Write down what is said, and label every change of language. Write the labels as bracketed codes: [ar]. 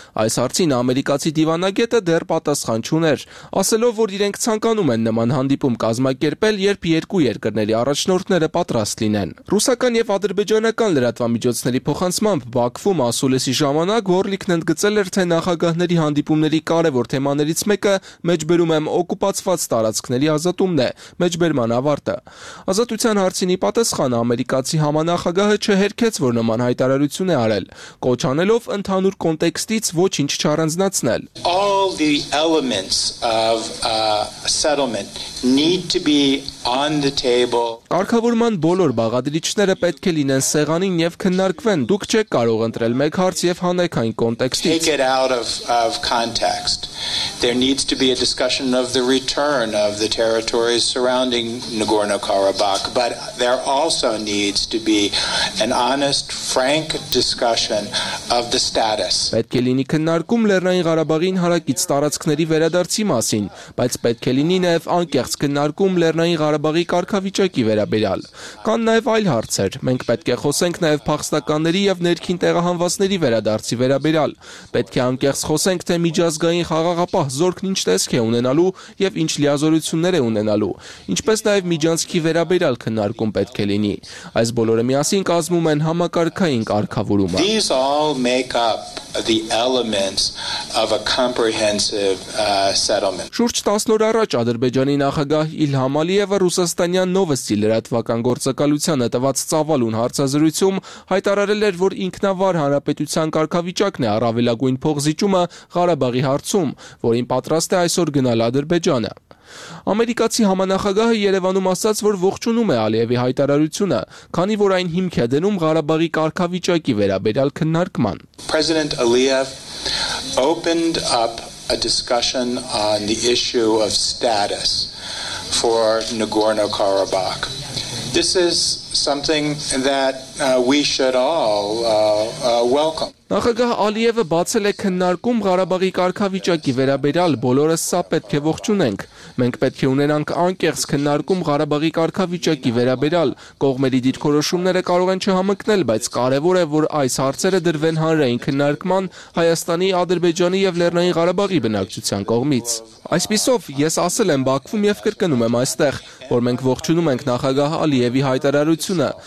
[hy] այս հարցին ամերիկացի դիվանագետը դեռ պատասխան չուներ, ասելով, որ իրենք ցանկանում են նման հանդիպում կազմակերպել, երբ երկու երկրների առաջնորդները պատրաստ լինեն։ Ռուսական և ադրբեջանական լրատվամիջոցների փոխանցմամբ Բաքվում ասուլիսի ժամանակ Գորլիկն ընդգծել էր, թե նախագահների հանդիպումների կարևոր թեմաներից մեկը «մեջբերում եմ օկուպացված տարածքների ազատումն» է, մեջբերման ավարտը։ Ազատության հարցինի պատասխան ամերիկացի համանախագահ չհերքեց, որ նման հայտարարություն է արել, կոչանելով ընդհանուր կոնտեքստից ոչինչ չառանձնացնել։ [en] All the elements of settlement need to be on the table. [hy] Կարգավորման բոլոր բաղադրիչները պետք է լինեն սեղանին եւ քննարկվեն։ Դուք չեք կարող ընտրել մեկ հարց եւ հանեք այն կոնտեքստից։ [en] Take it out of context. There needs to be a discussion of the return of the territories surrounding Nagorno-Karabakh, but there also needs to be an honest, frank discussion of the status. [hy] Պետք է լինի քննարկում Լեռնային Ղարաբաղին հարակից տարածքների վերադարձի մասին, բայց պետք է լինի նաև անկեղծ քննարկում Լեռնային Ղարաբաղի կարգավիճակի վերաբերյալ։ Կան նաև այլ հարցեր։ Մենք պետք է խոսենք նաև փախստականների և ներքին տեղահանվածների վերադարձի վերաբերյալ։ Պետք է անկեղծ խոսենք, թե միջազգային խաղաղապահ զորքն ինչ տեսք է ունենալու և ինչ լիազորություններ է ունենալու, ինչպես նաև միջանցքի վերաբերյալ քննարկում պետք է լինի։ Այս բոլորը միասին կազմում են համակարգային կարգավորումը։ [en] These all make up the elements of a comprehensive settlement. [hy] Շուրջ 10 օր առաջ Ադրբեջանի նախագահ Իլհամ Ալիևը ռուսաստանյան Նովոստի լրատվական գործակալությանը տված ծավալուն հարցազրույցում հայտարարել էր, որ ինքնավար հանրապետության կարգավիճակն է առավելագույն փոխզիջումը Ղարաբաղի հարցում, որին պատրաստ է այսօր գնալ Ադրբեջանը։ Ամերիկացի համանախագահը Երևանում ասաց, որ ողջունում է Ալիևի հայտարարությունը, քանի որ այն հիմք է դնում Ղարաբաղի կարգավիճակի վերաբերյալ քննարկման։ [en] President Aliyev opened up a discussion on the issue of status for Nagorno-Karabakh. This is something that we should all welcome. [hy] Նախագահ Ալիևը բացել է քննարկում Ղարաբաղի կարգավիճակի վերաբերյալ, բոլորս սա պետք է ողջունենք։ Մենք պետք է ունենանք անկեղծ քննարկում Ղարաբաղի կարգավիճակի վերաբերյալ։ Կողմերի դիրքորոշումները կարող են չհամընկնել, բայց կարևոր է, որ այս հարցերը դրվեն հանրային քննարկման Հայաստանի, Ադրբեջանի և Լեռնային Ղարաբաղի բնակչության կողմից։ Այսպիսով ես ասել եմ Բաքվում և կրկնում եմ այստեղ, որ մենք ողջունում ենք նախագահ Ալիևի հայտարարությունը,